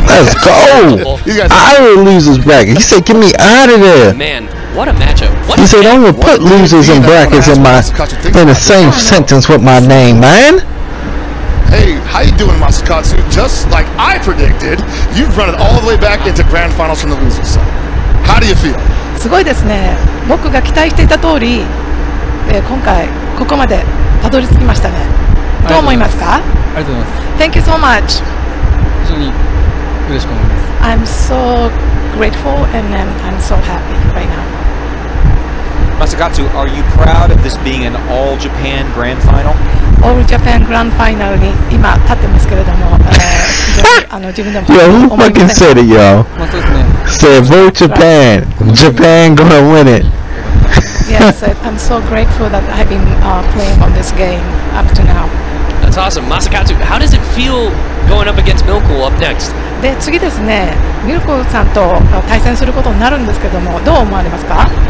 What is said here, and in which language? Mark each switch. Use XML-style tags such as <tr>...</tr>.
<en>Let's go. Out of the loser's bracket. He said, get me out of there. Man, what a matchup. He said, don't even put losers in brackets in the same sentence with my name, man. Hey, how you doing, Masakatsu? Just like I predicted, you've run it all the way back into grand finals from the losers. So, how do you feel?</en> <ja>すごいですね。僕が期待していた通り、今回ここまでたどり着きましたね。どう思いますか？ありがとうございます。</ja> <en>Thank you so much.</en> <ja>非常に嬉しく思います。</ja> <en>I'm so grateful and I'm so happy right now. Masakatsu, are you proud of this being an All Japan Grand Final?</en> <ja>All Japan Grand Final に今立ってますけれども、自分でも思いません。</ja> <en>Yo, who fucking said it, yo?</en> <ja>そうですね。</ja> <en>Say, vote Japan! Japan gonna win it! Yes, I'm so grateful that I've been playing on this game up to now. That's awesome. Masakatsu, how does it feel going up against Milku up next?</en> <ja>で、次ですね、Milku さんと対戦することになるんですけども、どう思われますか？</ja>